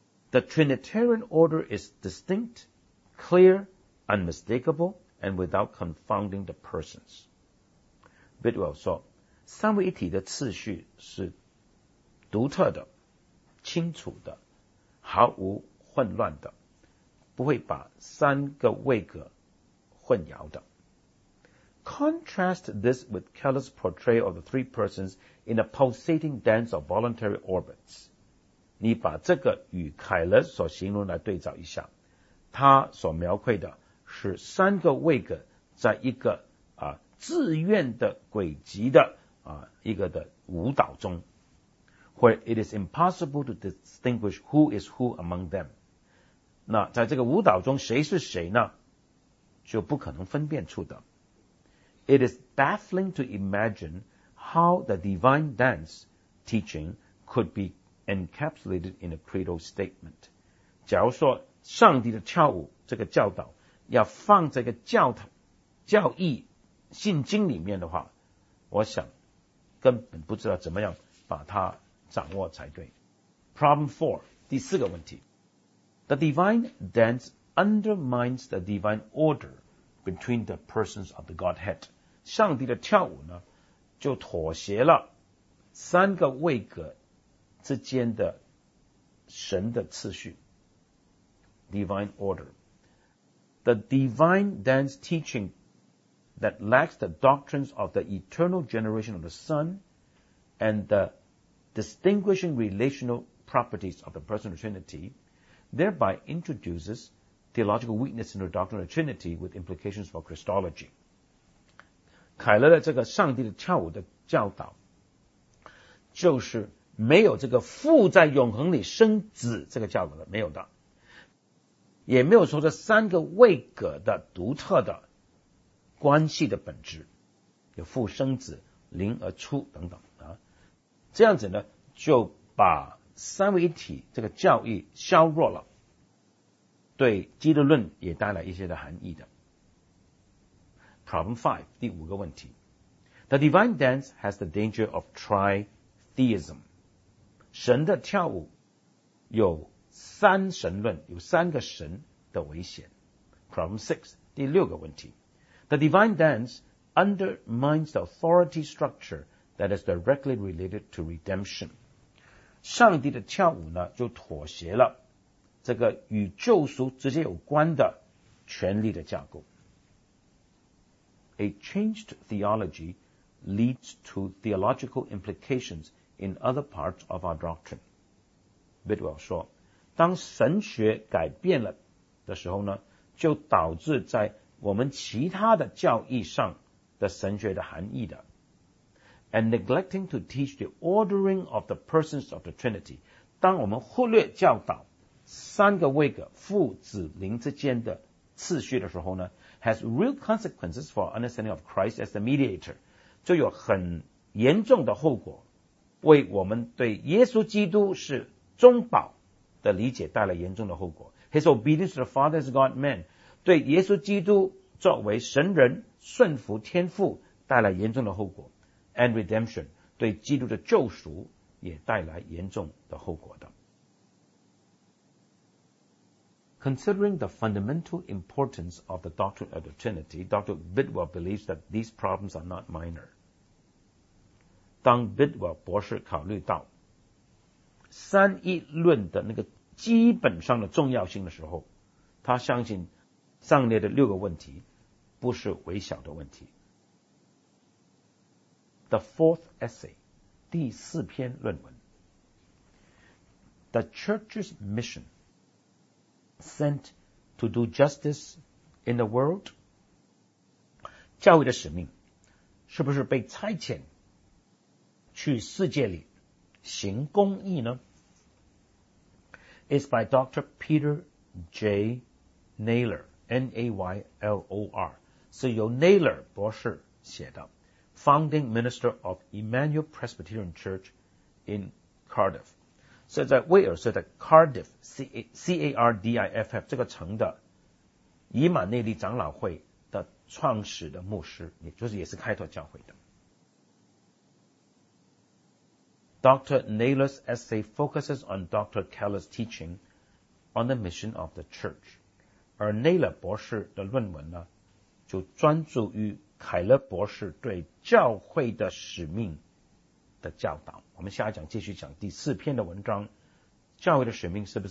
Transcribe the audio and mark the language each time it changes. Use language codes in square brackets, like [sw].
[en] The Trinitarian order is distinct, clear, unmistakable, and without confounding the persons. [zh] Bidwell 说三位一体的次序是独特的清楚的毫无混乱的不会把三个位格混淆的。 [en] Contrast this with Keller's portrayal of the three persons in a pulsating dance of voluntary orbits. [zh] 你把这个与凯勒所形容来对照一下他所描绘的是三个位格在一个自愿的轨迹的一个的舞蹈中 [en] where it is impossible to distinguish who is who among them. [zh] 那在这个舞蹈中谁是谁呢就不可能分辨出的。 [en] It is baffling to imagine how the divine dance teaching could be encapsulated in a credo statement. [zh] 假如说上帝的跳舞这个教导要放这个教义信经里面的话我想根本不知道怎么样把它掌握才对。 [en] Problem 4, [zh] 第四个问题。 [en] The divine dance undermines the divine order between the persons of the Godhead. [zh] 上帝的跳舞呢就妥协了三个位格之间的神的次序。 [en] Divine order. The divine dance teachingthat lacks the doctrines of the eternal generation of the Son and the distinguishing relational properties of the person of the Trinity, thereby introduces theological weakness in the doctrine of the Trinity with implications for Christology. [zh] 凯勒的这个上帝的跳舞的教导就是没有这个父在永恒里生子这个教导的没有的也没有说这三个位格的独特的关系的本质有父生子灵而出等等这样子呢就把三位一体这个教义削弱了对基督论也带来一些的含义的 [en] Problem 5 [zh] 第五个问题 [en] The divine dance has the danger of tritheism [zh] 神的跳舞有三神论有三个神的危险 [en] Problem 6 [zh] 第六个问题 [en] The divine dance undermines the authority structure that is directly related to redemption. [zh] 上帝的跳舞呢就妥协了这个与救赎直接有关的权力的架构。 [en] A changed theology leads to theological implications in other parts of our doctrine. [zh] Bidwell 说当神学改变了的时候呢就导致在我们其他的教义上的神学的含义的 [en] and neglecting to teach the ordering of the persons of the Trinity [zh] 当我们忽略教导三个位格父子灵之间的次序的时候呢 [en] has real consequences for understanding of Christ as the mediator [zh] 就有很严重的后果为我们对耶稣基督是中保的理解带来严重的后果 [en] His obedience to the Father as God man [zh] 对耶稣基督作为神人顺服天父带来严重的后果 [en] and redemption [zh] 对基督的救赎也带来严重的后果的。 [en] Considering the fundamental importance of the doctrine of the Trinity, Dr. Bidwell believes that these problems are not minor. [zh] 当 Bidwell 博士考虑到三一论的那个基本上的重要性的时候，他相信上列的六个问题不是微小的问题。 [en] The fourth essay, [zh] 第四篇论文。 [en] The Church's mission, sent to do justice in the world? [zh] 教会的使命是不是被差遣去世界里行公义呢？ [en] It's by Dr. Peter J. Naylor, N-A-Y-L-O-R, [zh] 是由 Naylor 博士写的 [en] Founding Minister of Emmanuel Presbyterian Church in Cardiff. [zh] 是在威尔士的 Cardiff, C-A-R-D-I-F-F, 这个城的以马内利长老会的创始的牧师，也就是也是开拓教会的。 [en] Dr. Naylor's essay focuses on Dr. Keller's teaching on the mission of the church. [zh] 而 Naylor 博士的论文呢，就专注于凯勒博士对教会的使命的教导。我们下一讲继续讲第四篇的文章，教会的使命是不是